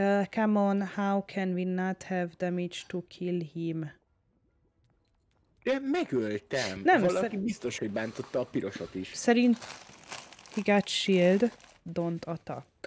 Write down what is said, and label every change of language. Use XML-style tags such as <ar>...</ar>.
<en>come on, how can we not have damage to kill him?</en> <hu>De megöltem. Nem, valaki biztos, hogy bántotta a pirosat is. Szerint</hu> <en>he got shield, don't attack.</en>